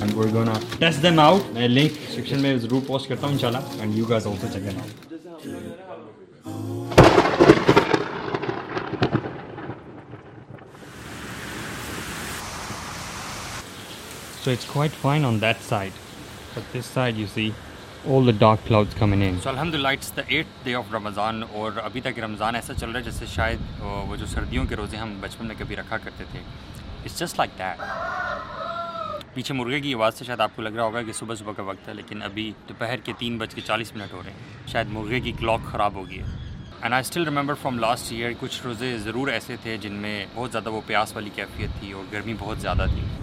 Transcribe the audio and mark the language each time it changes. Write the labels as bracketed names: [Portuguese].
[English] And we are gonna test them out. [Hindi] मैं link description में जरूर पोस्ट करता हूं इंशाल्लाह, [English] And you guys also check it out. So it's quite fine on that side. But this side, you see, all the dark clouds coming in. So alhamdulillah, it's the 8th day of Ramadan. [Hindi] और अभी तक रमज़ान ऐसा चल रहा है जैसे शायद वो जो सर्दियों के रोज़े हम बचपन में कभी रखा करते थे. [English] It's just like that. [Hindi] पीछे मुर्गे की आवाज़ से शायद आपको लग रहा होगा कि सुबह सुबह का वक्त है, लेकिन अभी दोपहर के 3:40 हो रहे हैं. शायद मुर्गे की क्लॉक ख़राब हो गई है. [English] and I still remember from last year, [Hindi] कुछ रोज़े ज़रूर ऐसे थे जिनमें बहुत ज़्यादा वो प्यास वाली कैफियत थी और गर्मी बहुत ज़्यादा थी.